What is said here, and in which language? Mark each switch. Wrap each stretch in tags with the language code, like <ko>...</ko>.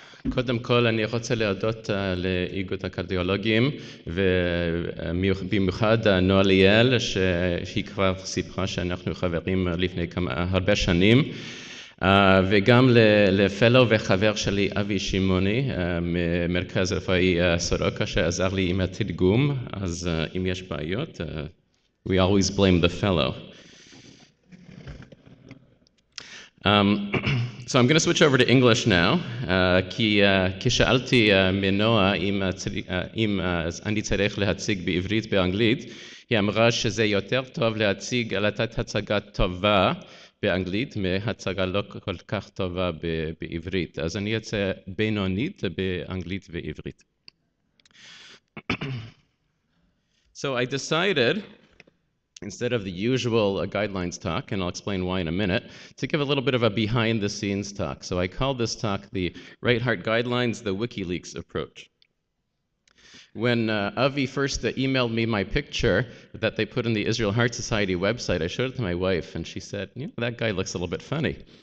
<he>קודם כל אני רוצה להודות לאיגוד הקרדיולוגים ובמיוחד נועה ליאל שהיא כבר סיפרה שאנחנו חברים לפני הרבה שנים וגם לפלו וחבר שלי אבי שימוני ממרכז רפואי סורוקה שעזר לי עם התרגום אז אם יש בעיות</he> <en>we always blame the fellow. So I'm going to switch over to English now.</en> <he>כששאלתי מנועה אם אני צריך להציג בעברית באנגלית, היא אמרה שזה יותר טוב להציג, לתת הצגה טובה באנגלית מהצגה לא כל כך טובה בעברית. אז אני אצא בינונית באנגלית ועברית.</he> <en>So I decided, instead of the usual guidelines talk, and I'll explain why in a minute, to give a little bit of a behind-the-scenes talk. So I call this talk the Right Heart Guidelines, the WikiLeaks approach. When Avi first emailed me my picture that they put in the Israel Heart Society website, I showed it to my wife, and she said, you know, that guy looks a little bit funny.</en>